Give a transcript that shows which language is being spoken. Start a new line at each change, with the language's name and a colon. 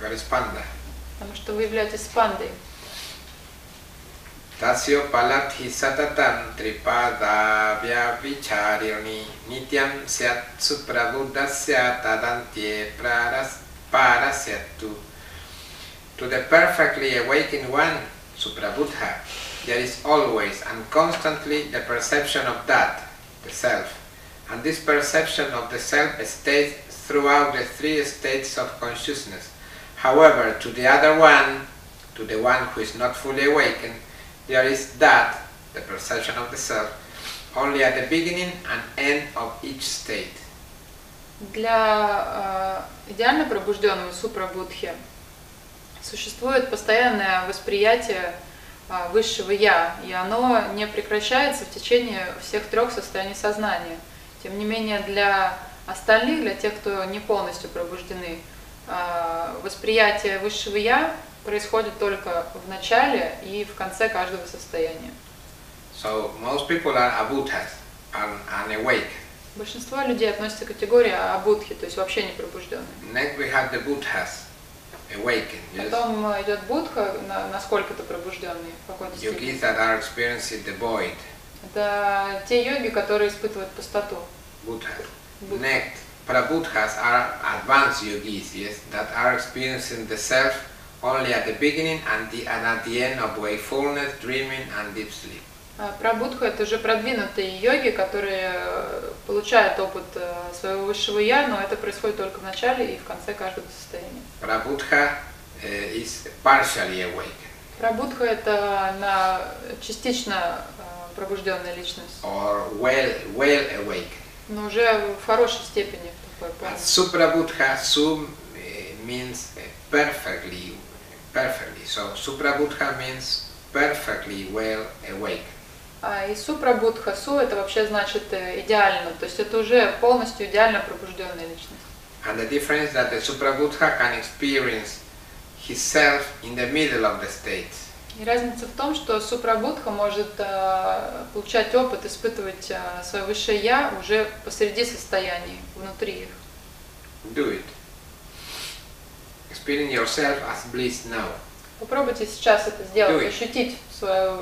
Russian: Потому что вы являетесь спандой.
Sanskrit: Тасио палатхи сататан трипадабья вичарьони нитям сят супрабуддасья тадантье парасятту.
English: To the perfectly awakened one, Suprabuddha, there is always and constantly the perception of that, the self. And this perception of the self stays throughout the three states of consciousness. However, to the other one, to the one who is not fully awakened, there is that, the perception of the self, only at the beginning and end of each state.
Russian: Для идеально пробужденного Супрабуддхи, существует постоянное восприятие высшего Я, и оно не прекращается в течение всех трех состояний сознания. Тем не менее, для остальных, для тех, кто не полностью пробуждены, восприятие высшего Я происходит только в начале и в конце каждого состояния.
English: So most people are abuddhas, unawake.
Russian: Большинство людей относятся к категории абуддхи, то есть вообще не пробужденные.
English: Next we have the buddhas. Awaken, yes.
Russian: Потом идет Будха, насколько-то пробужденный, в какой-то степени.
English: Yogis that are experiencing the void.
Russian: Это те йоги, которые испытывают пустоту. Будха.
English: Next, Prabuddhas are advanced yogis, yes, that are experiencing the self only at the beginning and at the end of wakefulness, dreaming and deep sleep.
Russian: Прабудха – это уже продвинутые йоги, которые получают опыт своего высшего я, но это происходит только в начале и в конце каждого состояния.
English: Прабудха is partially awake.
Russian: Прабудха – это на частично пробужденная личность.
English: Or well awake.
Russian: Но уже в хорошей степени.
English: Suprabuddha, sum means perfectly. So Suprabuddha means perfectly well awake.
Russian: И Suprabuddha, su – это вообще значит идеально, то есть это уже полностью идеально пробужденная личность.
English: And the difference that the Suprabuddha can experience himself in the middle of the state.
Russian: И разница в том, что Suprabuddha может получать опыт, испытывать свое высшее я уже посреди состояний, внутри их.
English: Do it. Experience yourself as bliss now.
Russian: Попробуйте сейчас это сделать, ощутить свою,